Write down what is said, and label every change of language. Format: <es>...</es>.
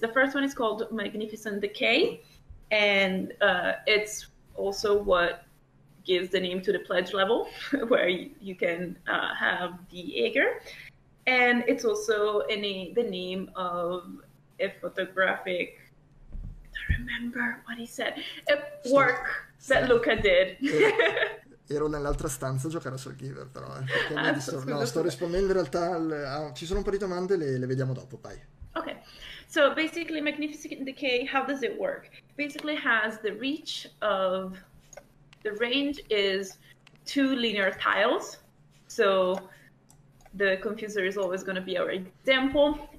<en>The first one is called Magnificent Decay, and it's also what gives the name to the pledge level where you can have the Aegir, and it's also the name of a photographic, I don't remember what he said, a work that Luca did.</en> <it>Ero nell'altra stanza a giocare a Soul Giver, però, perché mi Ah, disturbo. No, scusa, sto scusa. rispondendo in realtà ci sono un po' di domande, le vediamo dopo, vai.</it> <en>Ok, so basically Magnificent Decay, how does it work? Basically has the reach of, the range is two linear tiles. So the Confusor is always going to be our example.</en>